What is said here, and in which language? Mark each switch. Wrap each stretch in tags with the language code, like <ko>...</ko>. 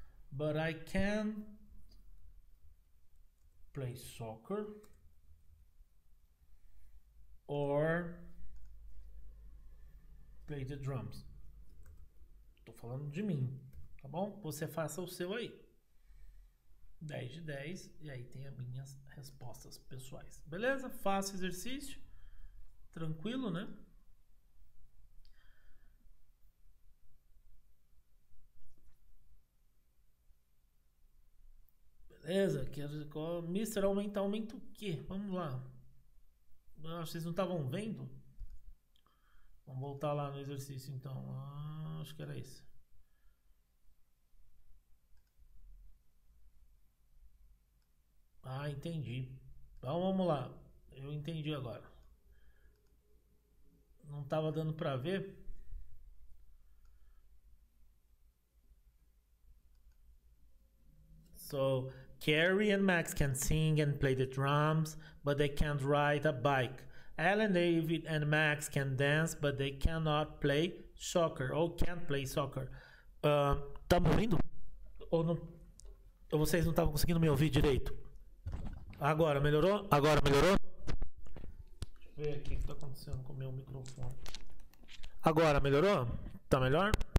<en>But I can't play soccer or play the drums.</en> <pt>Tô falando de mim. Tá bom? Você faça o seu aí. 10 de 10, e aí tem as minhas respostas pessoais. Beleza? Faça o exercício. Tranquilo, né? Beleza? Mister aumenta o quê? Vamos lá. Vocês não estavam vendo? Vamos voltar lá no exercício, então. Ah, acho que era isso. Ah, entendi. Então vamos lá. Eu entendi agora. Não estava dando para ver.</pt> <en>So, Carrie and Max can sing and play the drums, but they can't ride a bike. Alan, David and Max can dance, but they cannot play soccer.</en> <pt>Ou</pt> <en>can't play soccer.</en> <pt>Tá me ouvindo? Ou não? Ou vocês não estavam conseguindo me ouvir direito? Agora melhorou? Agora melhorou? Deixa eu ver aqui o que está acontecendo com o meu microfone. Agora melhorou? Tá melhor?</pt>